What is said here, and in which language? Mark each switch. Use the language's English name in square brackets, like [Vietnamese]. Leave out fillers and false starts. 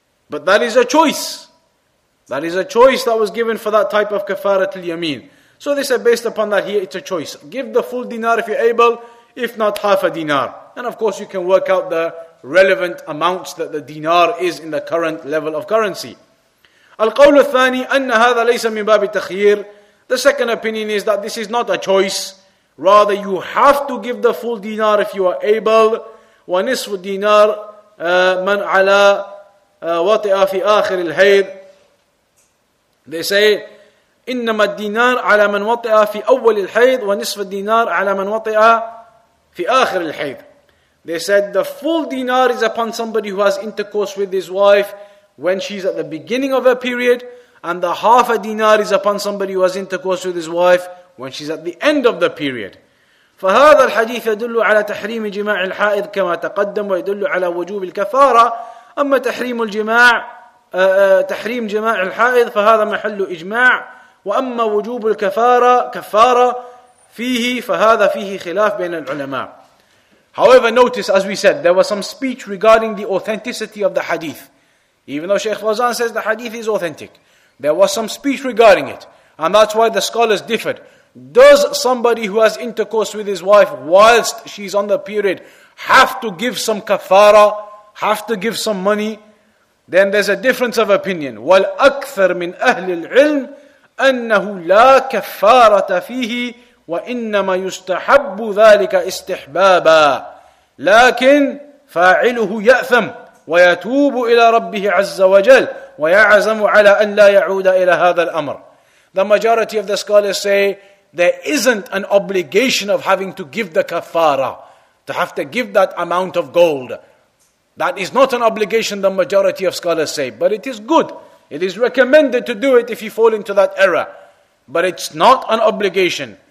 [English] But that is a choice. That is a choice that was given for that type of kafarat al-yameen. So they said, based upon that here, it's a choice. Give the full dinar if you're able, if not half a dinar. And of course you can work out the relevant amounts that the dinar is in the current level of currency. [Arabic] القول الثاني أن هذا ليس من باب التخيير. [English] The second opinion is that this is not a choice. Rather, you have to give the full dinar if you are able. [Arabic] ونصف الدينار من على وطئ في آخر الحيض. [English] They say, [Arabic] إنما الدينار على من وطئ في أول الحيض ونصف الدينار على من وطئ في آخر الحيض. [English] They said the full dinar is upon somebody who has intercourse with his wife when she's at the beginning of her period, and the half a dinar is upon somebody who has intercourse with his wife when she's at the end of the period. [Arabic] فهذا الحديث يدل على تحريم جماع الحائض كما تقدم ويدل على وجوب الكفارة. أما تحريم الجماع تحريم جماع الحائض فهذا محل إجماع. وأما وجوب الكفارة كفارة فيه فهذا فيه خلاف بين العلماء. [English] However, notice, as we said, there was some speech regarding the authenticity of the hadith. Even though Sheikh Fawzan says the hadith is authentic, there was some speech regarding it. And that's why the scholars differed. Does somebody who has intercourse with his wife whilst she's on the period have to give some kafara, have to give some money? Then there's a difference of opinion. [Arabic] Wal akthar min ahli al-ilm أنه لا كفارة فيه وإنما يستحب ذلك استحبابا لكن فاعله يأثم ويتوب إلى ربه عز وجل ويعزم على أن لا يعود إلى هذا الأمر. [English] The majority of the scholars say there isn't an obligation of having to give the kafara, to have to give that amount of gold. That is not an obligation, the majority of scholars say, but it is good. It is recommended to do it if you fall into that error. But it's not an obligation.